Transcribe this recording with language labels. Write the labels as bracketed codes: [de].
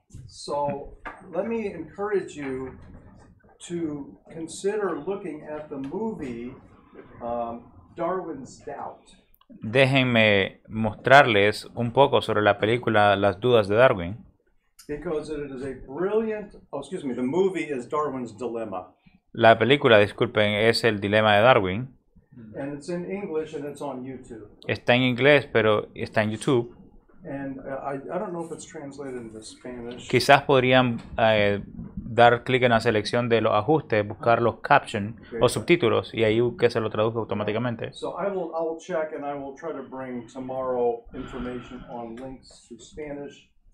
[en] So let me encourage you to consider looking at the movie Darwin's Doubt. [es] Déjenme mostrarles un poco sobre la película Las dudas de Darwin. [en] Because it is a brilliant, the movie is Darwin's Dilemma. [es] La película, disculpen, es El Dilema de Darwin. [en] And it's in English and it's on YouTube. [es] Está en inglés, pero está en YouTube. [en] And I don't know if it's translated into Spanish. [es] Quizás podrían dar clic en la selección de los ajustes, buscar los captions o subtítulos y ahí que se lo traduzca automáticamente. [en] So I will check and I will try to bring tomorrow information on links to Spanish.